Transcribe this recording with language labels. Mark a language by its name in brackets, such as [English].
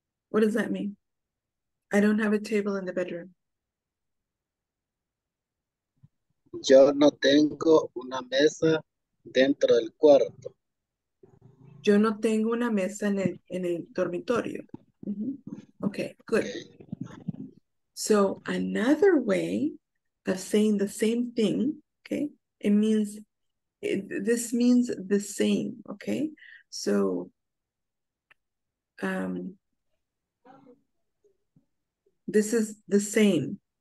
[English] What does that mean? I don't have a table in the bedroom. [Spanish] Yo no tengo una mesa dentro del cuarto. Yo no tengo una mesa en el dormitorio. [English] Mm-hmm. Okay, good. So another way of saying the same thing, okay? This means the same, okay? So this is the same.